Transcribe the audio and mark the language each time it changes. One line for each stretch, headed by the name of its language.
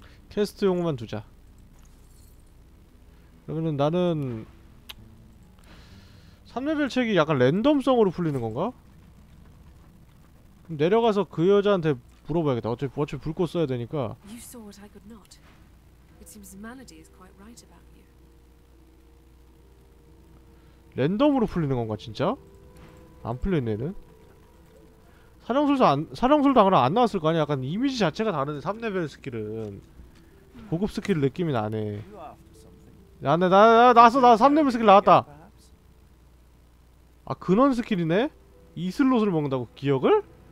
Korean: 퀘스트용만 두자. 그러면은 나는 3레벨 책이 약간 랜덤성으로 풀리는 건가? 그럼 내려가서 그 여자한테 물어봐야겠다. 어차피 불꽃 써야 되니까.
English: You saw what I could not. It seems Manady is quite right about you.
Korean: 랜덤으로 풀리는 건가 진짜? 안 풀리네 얘는. 사령술사 안 사령술 당연히 안 나왔을 거 아니야. 약간 이미지 자체가 다른데 3레벨 스킬은 고급 스킬 느낌이 나네. 나네 나 나서 나 3레벨 스킬 나왔다. 아 근원 스킬이네? 이슬롯을 먹는다고? 기억을?